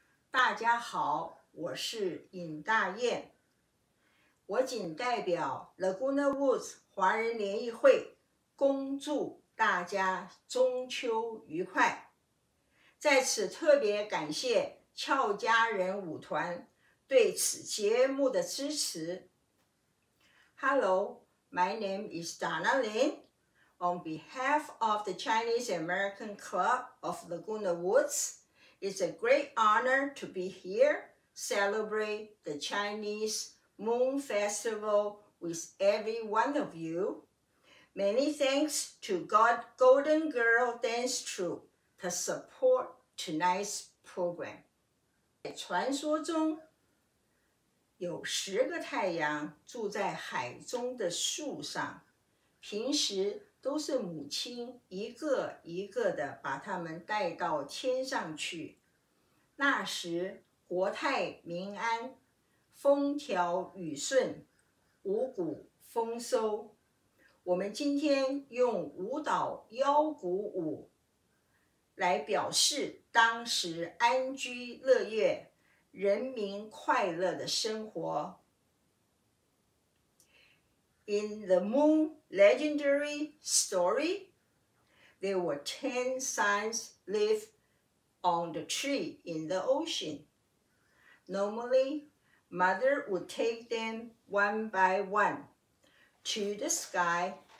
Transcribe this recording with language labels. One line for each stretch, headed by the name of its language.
Chinese: 大家好，我是尹大雁，我谨代表 Laguna Woods 华人联谊会恭祝大家中秋愉快。在此特别感谢俏佳人舞团对此节目的支持。
English: Hello, my name is Donna Lin. On behalf of the Chinese American Club of Laguna Woods, it's a great honor to be here celebrate the Chinese Moon Festival with every one of you. Many thanks to God Golden Girl Dance Troupe to support tonight's program.
Chinese: 传说中有十个太阳住在海中的树上，平时都是母亲一个一个的把他们带到天上去，那时国泰民安，风调雨顺，五谷丰收。我们今天用舞蹈腰鼓舞来表示当时安居乐业、人民快乐的生活。
English: In the moon legendary story, there were 10 signs live on the tree in the ocean. Normally, mother would take them one by one to the sky.